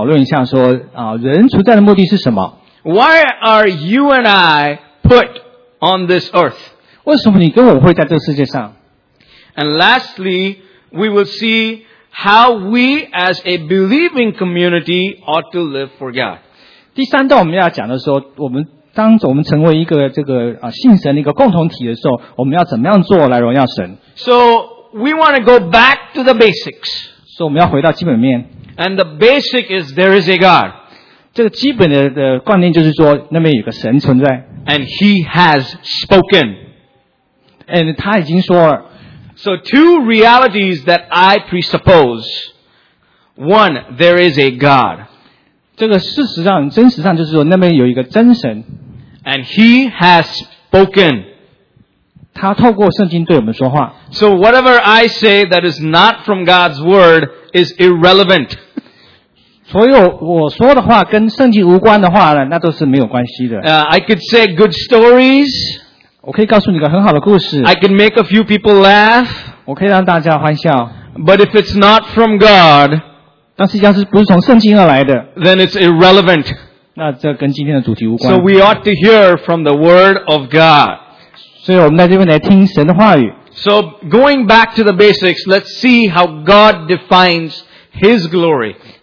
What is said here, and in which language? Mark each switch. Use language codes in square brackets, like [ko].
[zh] 第二个阶段，我们就要来讨论一下说，人存在的目的是什么？ [en] Why are you and I put on this earth? [zh] 为什么你跟我会在这个世界上？ [en] And lastly, we will see how we as a believing community ought to live for God. [zh] 第三段我们要讲的说，我们当我们成为一个信神的一个共同体的时候，我们要怎么样做来荣耀神？ [en] So we want to go back to the basics. [zh] 所以我们要回到基本面。 [en] And the basic is there is a God. [zh] 这个基本的观念就是说，那边有个神存在。 [en] And He has spoken. [zh] And 他已经说了。 [en] So two realities that I presuppose. One, there is a God. [zh] 这个事实上，真实上就是说，那边有一个真神。 [en] And He has spoken. [zh] 他透过圣经对我们说话。 [en] So whatever I say that is not from God's word is irrelevant. [zh] 所有我说的话跟圣经无关的话呢，那都是没有关系的。 [en] I could say good stories. [zh] 我可以告诉你个很好的故事。 [en] I can make a few people laugh. [zh] 我可以让大家欢笑。 [en] But if it's not from God, [zh] 但实际上是不是从圣经而来的， [en] then it's irrelevant. [zh] 那这跟今天的主题无关。 [en] So we ought to hear from the word of God. [zh] 所以我们在这边来听神的话语。 [en] So going back to the basics, let's see how God defines His glory.